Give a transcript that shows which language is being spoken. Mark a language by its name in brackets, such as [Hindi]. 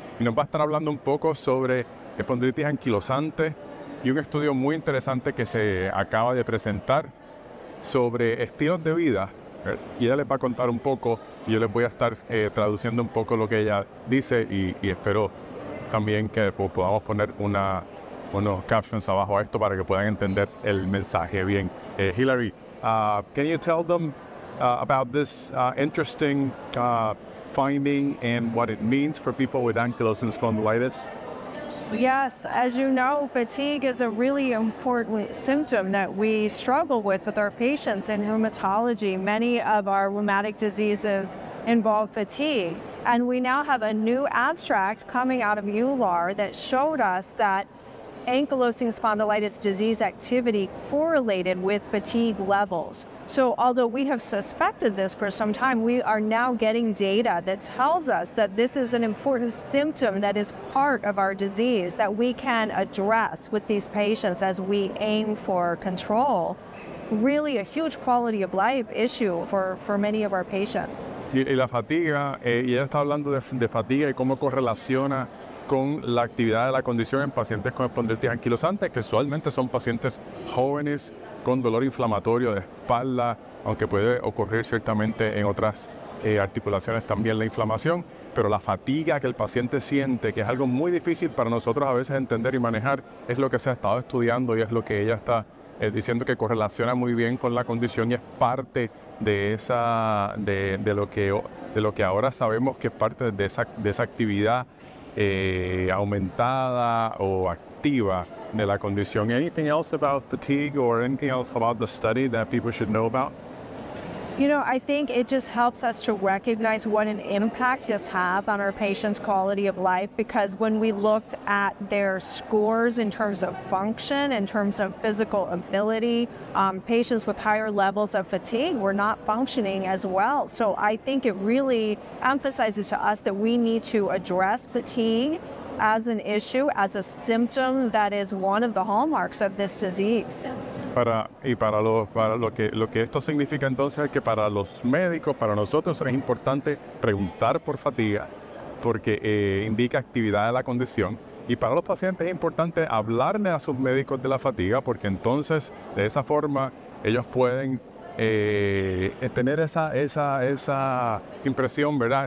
[Spanish] Y nos va a estar hablando un poco sobre espondilitis anquilosante y un estudio muy interesante que se acaba de presentar sobre estilos de vida. Y ella les va a contar un poco, y yo les voy a estar traduciendo un poco lo que ella dice y espero también que podamos poner unos captions abajo a esto para que puedan entender el mensaje bien. [English] Hilary, can you tell them about this interesting finding and what it means for people with ankylosing spondylitis? Yes, as you know, fatigue is a really important symptom that we struggle with our patients in rheumatology. Many of our rheumatic diseases involve fatigue. And we now have a new abstract coming out of EULAR that showed us that ankylosing spondylitis disease activity correlated with fatigue levels. So although we have suspected this for some time, we are now getting data that tells us that this is an important symptom that is part of our disease that we can address with these patients as we aim for control. Really a huge quality of life issue for many of our patients. [Spanish] Y la fatiga, y ella está hablando de fatiga y cómo correlaciona con la actividad de la condición en pacientes con espondilitis anquilosante, que usualmente son pacientes jóvenes con dolor inflamatorio de espalda, aunque puede ocurrir ciertamente en otras articulaciones también la inflamación, pero la fatiga que el paciente siente, que es algo muy difícil para nosotros a veces entender y manejar, es lo que se ha estado estudiando y es lo que ella está diciendo que correlaciona muy bien con la condición y es parte de esa de lo que ahora sabemos que es parte de esa actividad aumentada o activa de la condición. [English] Anything else about fatigue or anything else about the study that people should know about? You know, I think it just helps us to recognize what an impact this has on our patients' quality of life, because when we looked at their scores in terms of function, in terms of physical ability, patients with higher levels of fatigue were not functioning as well. So I think it really emphasizes to us that we need to address fatigue as an issue, as a symptom that is one of the hallmarks of this disease. [Spanish] Para lo que esto significa entonces es que para los médicos, para nosotros es importante preguntar por fatiga, porque indica actividad de la condición. Y para los pacientes es importante hablarle a sus médicos de la fatiga, porque entonces de esa forma ellos pueden tener esa impresión, ¿verdad?